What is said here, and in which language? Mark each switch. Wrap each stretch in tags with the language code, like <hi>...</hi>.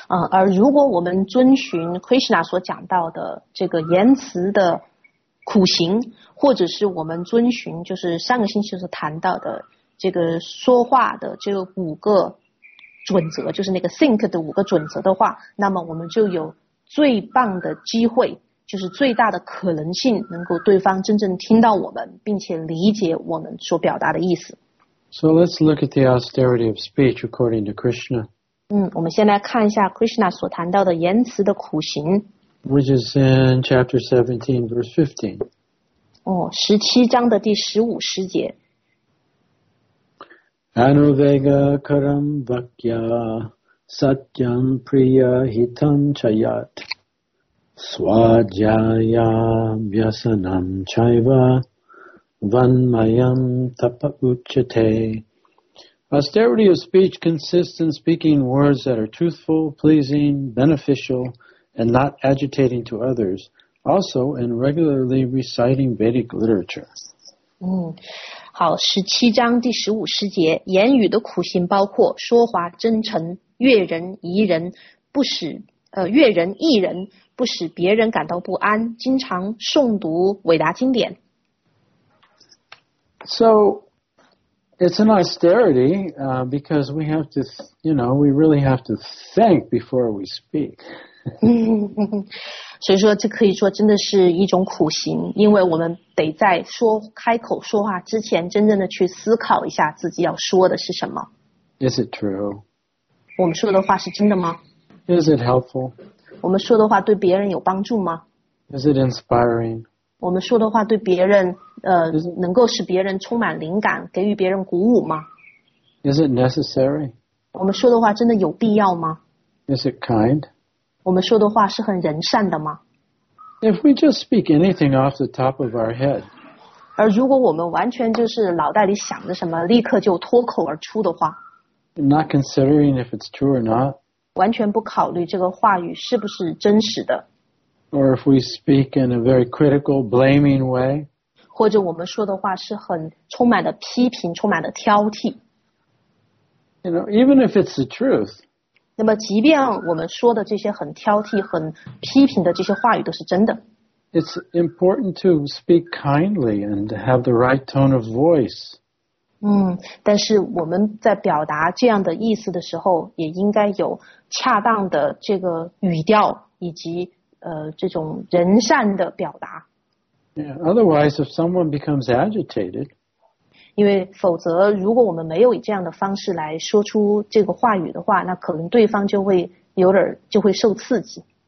<zh>而如果我们遵循 Krishna 所讲到的这个言辞的苦行，或者是我们遵循就是上个星期所谈到的这个说话的这个五个准则，就是那个think的五个准则的话，那么我们就有最棒的机会，就是最大的可能性能够对方真正听到我们，并且理解我们所表达的意思。</zh> <en>So let's look at the austerity of speech according to Krishna.</en> <zh>我们先来看一下 Krishna 所谈到的言辞的苦行，</zh> <en>which is in chapter 17, verse 15.</en> <zh>17章的第15节。</zh> <sa>Anuvega karam vakya satyam priya hitam chayat swajaya vyasanam chaiva vanmayam tapa uchate.</sa> <en>Austerity of speech consists in speaking words that are truthful, pleasing, beneficial, and not agitating to others. Also, in regularly reciting Vedic literature.</en> <zh>好，17章第15节，言语的苦行包括说话真诚，悦人宜人，不使悦人益人，不使别人感到不安，经常诵读伟大经典。</zh> <en>So it's an austerity, because we have to, you know, we really have to think before we speak.</en> <zh>所以说这可以说真的是一种苦行，因为我们得在说开口说话之前真正的去思考一下自己要说的是什么。</zh> <en>Is it true?</en> <zh>我们说的话是真的吗？</zh> <en>Is it helpful?</en> <zh>我们说的话对别人有帮助吗？</zh> <en>Is it inspiring?</en> <zh>我们说的话对别人能够使别人充满灵感，给予别人鼓舞吗？</zh> <en>Is it necessary?</en> <zh>我们说的话真的有必要吗？</zh> <en>Is it kind?</en> <zh>我们说的话是很仁善的吗？</zh> <en>If we just speak anything off the top of our head,</en> <zh>而如果我们完全就是脑袋里想着什么，立刻就脱口而出的话，</zh> <en>not considering if it's true or not,</en> <zh>完全不考虑这个话语是不是真实的，</zh> <en>or if we speak in a very critical, blaming way,</en> <zh>或者我们说的话是很充满了批评，充满了挑剔，</zh> <en>you know, even if it's the truth,</en> <zh>那么即便我们说的这些很挑剔很批评的这些话语都是真的，</zh> <en>It's important to speak kindly and have the right tone of voice.</en> <zh>但是我们在表达这样的意思的时候也应该有恰当的这个语调以及这种仁善的表达。</zh> <en>Otherwise, if someone becomes agitated,</en> <zh>因为否则如果我们没有以这样的方式来说出这个话语的话，那可能对方就会有点就会受刺激。</zh>